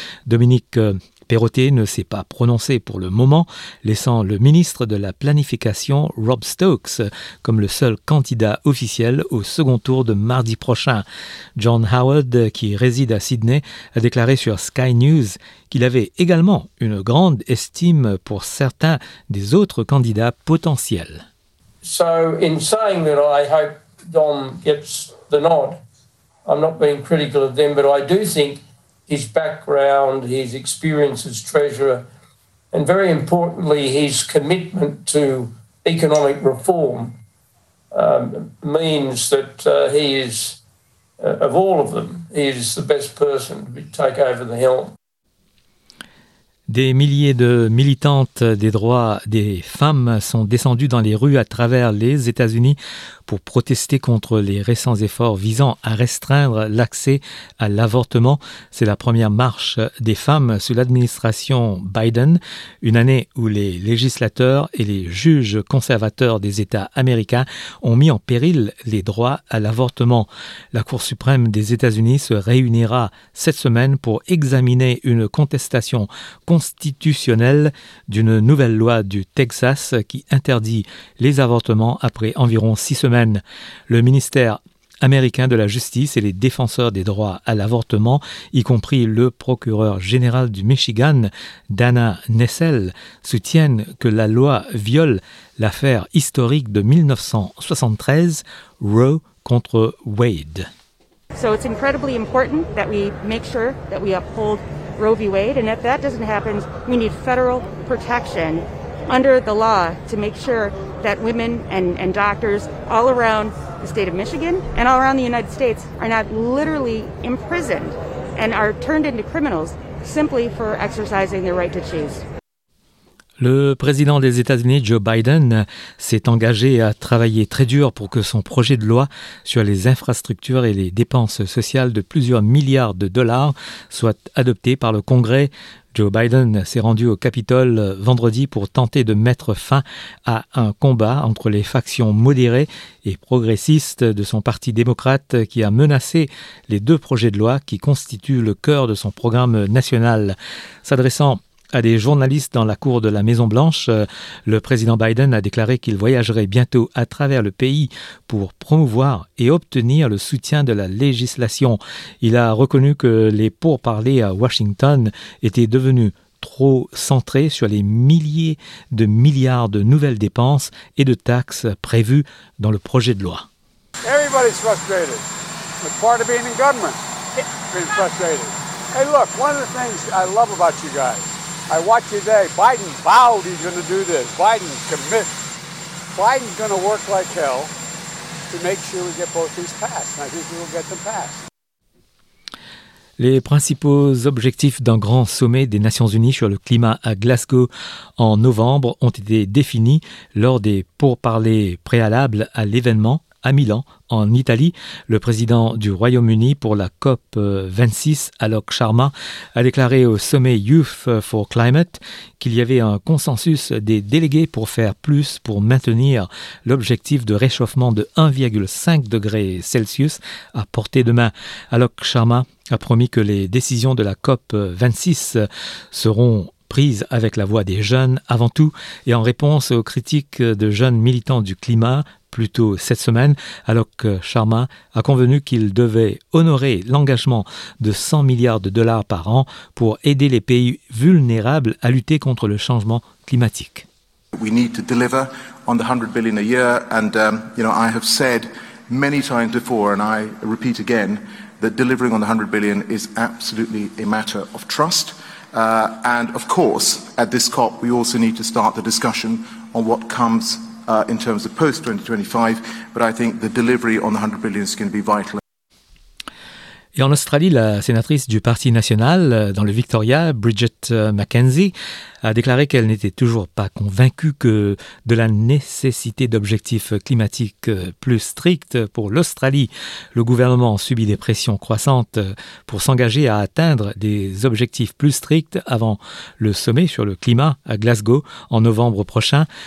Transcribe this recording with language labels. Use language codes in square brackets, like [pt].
[fr] Dominique Perrottet ne s'est pas prononcé pour le moment, laissant le ministre de la Planification, Rob Stokes, comme le seul candidat officiel au second tour de mardi prochain. John Howard, qui réside à Sydney, a déclaré sur Sky News qu'il avait également une grande estime pour certains des autres candidats potentiels. [en] So in saying that I hope Dom gets the nod, I'm not being critical of them, but I do think his background, his experience as treasurer, and very importantly, his commitment to economic reform means that he is, of all of them, he is the best person to take over the helm. [fr] Des milliers de militantes des droits des femmes sont descendues dans les rues à travers les États-Unis pour protester contre les récents efforts visant à restreindre l'accès à l'avortement. C'est la première marche des femmes sous l'administration Biden, une année où les législateurs et les juges conservateurs des États américains ont mis en péril les droits à l'avortement. La Cour suprême des États-Unis se réunira cette semaine pour examiner une contestation constitutionnelle d'une nouvelle loi du Texas qui interdit les avortements après environ 6 semaines. Le ministère américain de la Justice et les défenseurs des droits à l'avortement, y compris le procureur général du Michigan, Dana Nessel, soutiennent que la loi viole l'affaire historique de 1973, Roe contre Wade. [en] So it's incredibly important that we make sure that we uphold Roe v. Wade, and if that doesn't happen, we need federal protection under the law to make sure that women and doctors all around the state of Michigan and all around the United States are not literally imprisoned and are turned into criminals simply for exercising their right to choose. [fr] Le président des États-Unis, Joe Biden, s'est engagé à travailler très dur pour que son projet de loi sur les infrastructures et les dépenses sociales de plusieurs milliards de dollars soit adopté par le Congrès. Joe Biden s'est rendu au Capitole vendredi pour tenter de mettre fin à un combat entre les factions modérées et progressistes de son parti démocrate qui a menacé les deux projets de loi qui constituent le cœur de son programme national. S'adressant à des journalistes dans la cour de la Maison-Blanche, le président Biden a déclaré qu'il voyagerait bientôt à travers le pays pour promouvoir et obtenir le soutien de la législation. Il a reconnu que les pourparlers à Washington étaient devenus trop centrés sur les milliers de milliards de nouvelles dépenses et de taxes prévues dans le projet de loi. [en] Everybody's frustrated. It's part of being in government. Being frustrated. Hey, look, one of the things I love about you guys, I watch you today. Biden vowed he's going to do this. Biden commits. Biden's going to work like hell to make sure we get both these passed. And I think we will get them passed. [fr] Les principaux objectifs d'un grand sommet des Nations Unies sur le climat à Glasgow en novembre ont été définis lors des pourparlers préalables à l'événement à Milan, en Italie. Le président du Royaume-Uni pour la COP26, Alok Sharma, a déclaré au sommet Youth for Climate qu'il y avait un consensus des délégués pour faire plus pour maintenir l'objectif de réchauffement de 1,5 degré Celsius à portée de main. Alok Sharma a promis que les décisions de la COP26 seront prise avec la voix des jeunes avant tout et en réponse aux critiques de jeunes militants du climat, plus tôt cette semaine, alors que Sharma a convenu qu'il devait honorer l'engagement de 100 milliards de dollars par an pour aider les pays vulnérables à lutter contre le changement climatique. [en] We need to deliver on the 100 billion a year and you know I have said many times before and I repeat again that delivering on the 100 billion is absolutely a matter of trust. And of course, at this COP, we also need to start the discussion on what comes in terms of post-2025. But I think the delivery on the 100 billion is going to be vital. [fr] Et en Australie, la sénatrice du Parti national dans le Victoria, Bridget McKenzie, a déclaré qu'elle n'était toujours pas convaincue que de la nécessité d'objectifs climatiques plus stricts pour l'Australie. Le gouvernement subit des pressions croissantes pour s'engager à atteindre des objectifs plus stricts avant le sommet sur le climat à Glasgow en novembre prochain.